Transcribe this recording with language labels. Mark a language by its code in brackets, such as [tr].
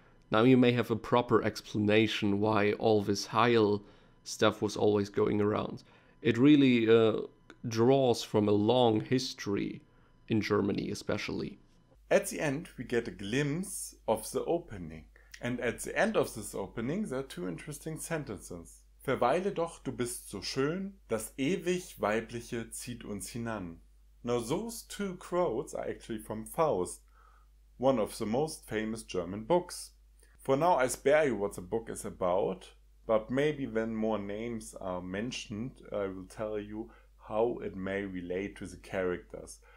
[en] Now you may have a proper explanation why all this Heil stuff was always going around. It really draws from a long history in Germany especially. At the end we get a glimpse of the opening. And at the end of this opening there are two interesting sentences. [de] Verweile doch, du bist so schön, das ewig Weibliche zieht uns hinan. [en] Now those two quotes are actually from Faust, one of the most famous German books. For now I spare you what the book is about, but maybe when more names are mentioned I will tell you how it may relate to the characters.